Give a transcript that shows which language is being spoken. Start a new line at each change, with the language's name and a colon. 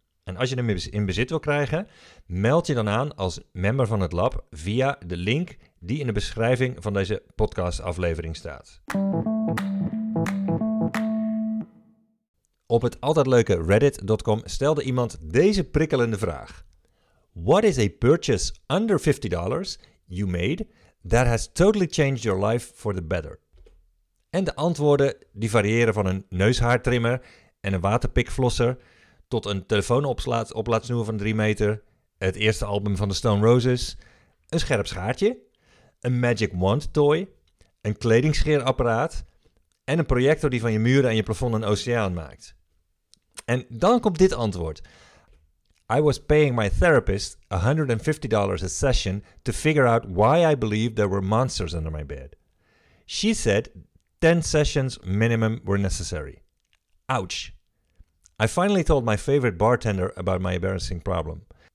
Dutch: En als je hem in bezit wil krijgen, meld je dan aan als member van het lab via de link die in de beschrijving van deze podcastaflevering staat. Op het altijd leuke reddit.com stelde iemand deze prikkelende vraag.
English: What is a purchase under $50 you made that has totally changed your life for the better?
Dutch: En de antwoorden die variëren van een neushaartrimmer en een waterpikflosser tot een telefoonoplaadsnoer van 3 meter, het eerste album van de Stone Roses, een scherp schaartje, een magic wand toy, een kledingscheerapparaat en een projector die van je muren en je plafond een oceaan maakt. En dan komt dit antwoord.
English: I was paying my therapist $150 a session to figure out why I believed there were monsters under my bed. She said 10 sessions minimum were necessary. Ouch. I finally told my favorite bartender about my embarrassing problem.